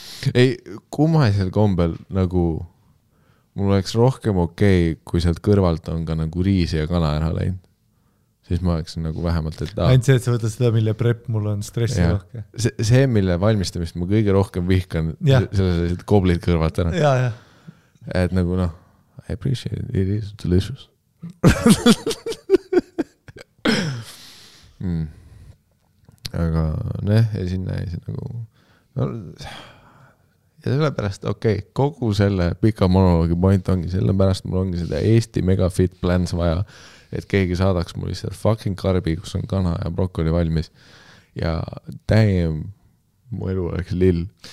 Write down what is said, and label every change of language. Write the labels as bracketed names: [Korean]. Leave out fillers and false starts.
[Estonian] Ei, kummasel kombel nagu mul oleks rohkem okei, kui sealt kõrvalt on ka nagu riisi ja kana ära läinud. Siis ma oleks nagu vähemalt, et... Ainult see, et sa võtad seda, mille prep mul on stressi ja. Rohke. See, mille valmistamist ma kõige rohkem vihkan ja. Sellised koblid kõrvalt ära. Ja, ja. Et nagu noh, [English] I appreciate it, it is delicious. [Estonian] Aga noh, ja sinna ei see nagu... No, ja sellepärast, okei, okay, kogu selle pika monologi point ongi, sellepärast mul ongi seda Eesti mega fit plans vaja, et keegi saadaks mul lihtsalt fucking karbi, kus on kana ja brokkoli valmis ja täiem mu elu oleks lill.